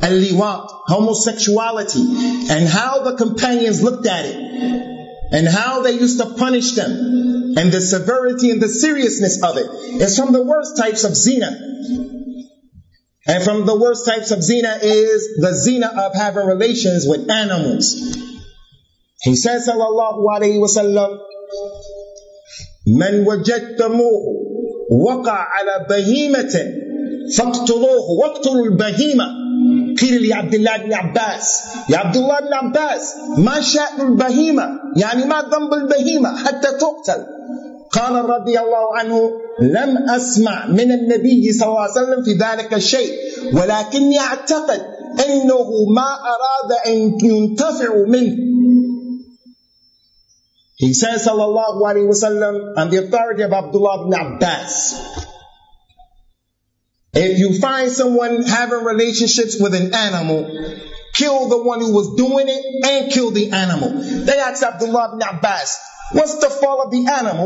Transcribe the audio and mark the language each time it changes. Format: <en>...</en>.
<en>Al-liwaq, homosexuality, and how the companions looked at it, and how they used to punish them, and the severity and the seriousness of it. It's from the worst types of zina. And from the worst types of zina is the zina of having relations with animals. He says, sallallahu alayhi wa sallam,</en> <ar>من وجدتموه وقع على بهيمة فاقتلوه واقتلوا البهيمة. قيل لعبد الله بن عباس, يا عبد الله بن عباس, ما شأن البهيمة, يعني ما ذنب البهيمة حتى تقتل. قال رضي الله عنه, لم أسمع من النبي صلى الله عليه وسلم في ذلك الشيء, ولكني أعتقد أنه ما أراد أن ينتفع منه.</ar> <en>He says, sallallahu alayhi wa sallam, on the authority of Abdullah ibn Abbas, if you find someone having relationships with an animal, kill the one who was doing it and kill the animal. They asked Abdullah ibn Abbas, what's the fault of the animal?</en>